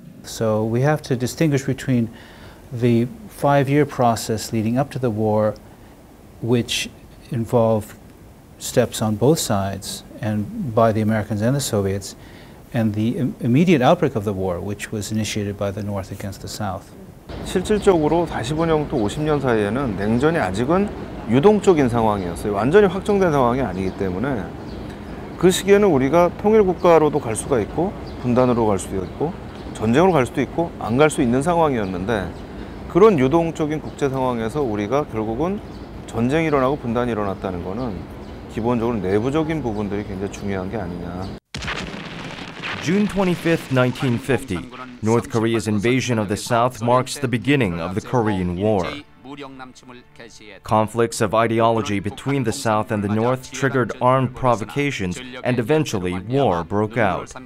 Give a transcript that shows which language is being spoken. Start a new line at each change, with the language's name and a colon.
English: So we have to distinguish between the five-year process leading up to the war, which involved steps on both sides, and by the Americans and the Soviets, and the immediate outbreak of the war, which was initiated by the North against the South.
Korean: 실질적으로 45년부터 50년 사이에는 냉전이 아직은 유동적인 상황이었어요. 완전히 확정된 상황이 아니기 때문에 그 시기에는 우리가 통일 국가로도 갈 수가 있고 분단으로 갈 수도 있고 전쟁으로 갈 수도 있고 안 갈 수 있는 상황이었는데 그런 유동적인 국제 상황에서 우리가 결국은 전쟁이 일어나고 분단이 일어났다는 거는 기본적으로 내부적인 부분들이 굉장히 중요한 게 아니냐.
English: June 25, 1950, North Korea's invasion of the South marks the beginning of the Korean War. Conflicts of ideology between the South and the North triggered armed provocations, and eventually war broke out.